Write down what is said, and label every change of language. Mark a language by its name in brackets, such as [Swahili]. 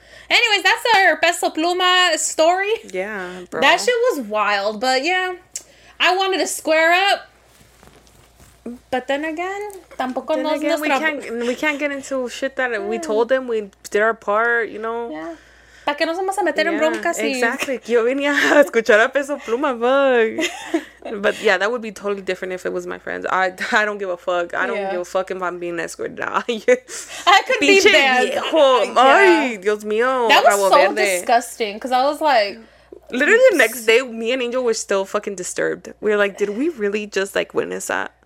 [English] Anyways, that's our Peso Pluma story. Yeah, bro. That shit was wild, but, yeah, I wanted to square up. But then again, [Spanish] tampoco [English] then again, we can't get into shit that we told them, we did our part, you know. Yeah. [Spanish] Para que nos vamos a meter en broncas. [English] Exactly. [Spanish] Yo venía a escuchar a Peso Pluma, [English] fuck. But yeah, that would be totally different if it was my friends. I don't give a fuck. I don't give a fuck if I'm being escorted out. I could be banned. [Spanish] Ay, Dios mío. [English] That was so disgusting because I was like. Literally the next day, me and Angel were still fucking disturbed. We were like, did we really just like witness that?